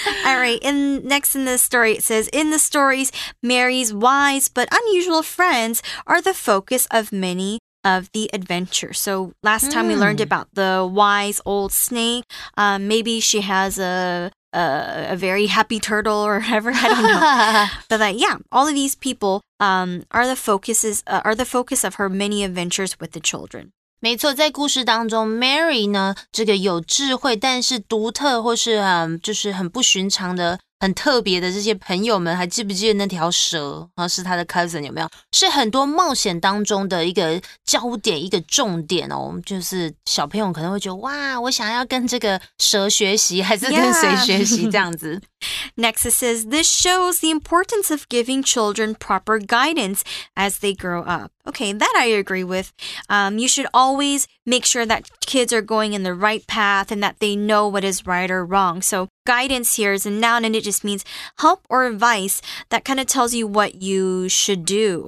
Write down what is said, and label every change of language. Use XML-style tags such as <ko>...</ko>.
<en>Alright, next in the story it says, in the stories, Mary's wise but unusual friends are the focus of many of the adventure. So last time we learned about the wise old snake, maybe she has a very happy turtle or whatever, I don't know. But that, yeah, all of these people are the focus of her many adventures with the children.</en> <zh>没错，在故事当中 ，Mary 呢，这个有智慧但是独特或是就是很不寻常的。很特别的这些朋友们，还记不记得那条蛇啊？是他的 cousin 有没有？是很多冒险当中的一个焦点，一个重点哦。就是小朋友可能会觉得，哇，我想要跟这个蛇学习，还是跟谁学习这样子。</zh> <en>Next it says, this shows the importance of giving children proper guidance as they grow up. Okay, that I agree with. You should always make sure that kids are going in the right path and that they know what is right or wrong. So guidance here is a noun and it just means help or advice that kind of tells you what you should do.</en>